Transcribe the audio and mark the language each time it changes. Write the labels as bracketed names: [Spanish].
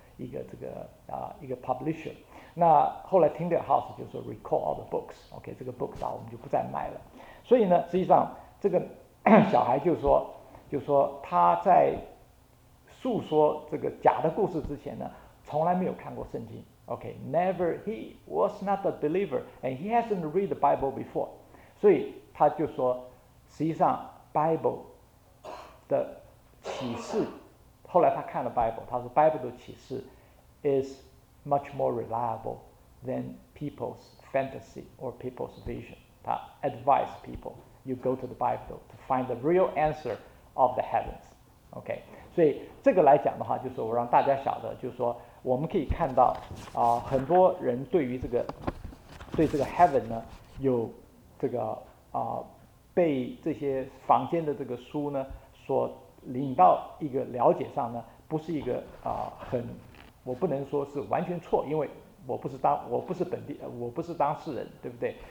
[Chinese] 一个这个啊一个 publisher。那后来 Tinderhouse 就说 [English] recall all the books， [Chinese] OK， 这个 books 啊我们就不再卖了。所以呢，实际上这个小孩就说他在诉说这个假的故事之前呢，从来没有看过圣经。 [English] Okay, never, he was not a believer, and he hasn't read the Bible before. [Chinese] 所以他就说，实际上 Bible 的启示，后来他看了 Bible， 他说 Bible 的启示 [English] is much more reliable than people's fantasy or people's vision. [Chinese] 他 [English] advise people, you go to the Bible to find the real answer of the heavens. [Chinese] Okay, 所以这个来讲的话，就是我让大家晓得，就是说我们可以看到啊，很多人对这个 heaven 呢，有这个啊，被这些坊间的这个书呢所领到一个了解上呢，不是一个啊很，我不能说是完全错，因为我不是当事人，对不对？